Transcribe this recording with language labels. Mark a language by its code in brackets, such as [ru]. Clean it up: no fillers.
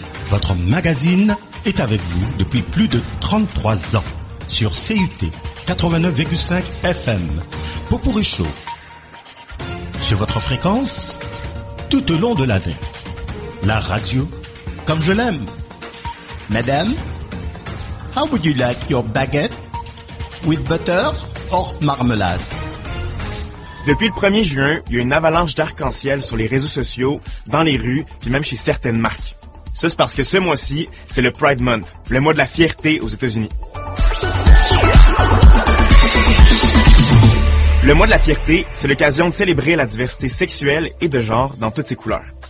[fr] Votre magazine est avec vous depuis plus de 33 ans. Sur CUT 89,5 FM, Potpourri Show, sur votre fréquence, tout au long de l'année, la radio, comme je l'aime. [en] Madame, how would you like your baguette, with butter or marmelade? [fr] Depuis le 1er juin, il y a une avalanche d'arc-en-ciel sur les réseaux sociaux, dans les rues, puis même chez certaines marques. Ça, c'est parce que ce mois-ci, c'est le Pride Month, le mois de la fierté aux États-Unis. Le mois de la fierté, c'est l'occasion de célébrer la diversité sexuelle et de genre dans toutes ses couleurs.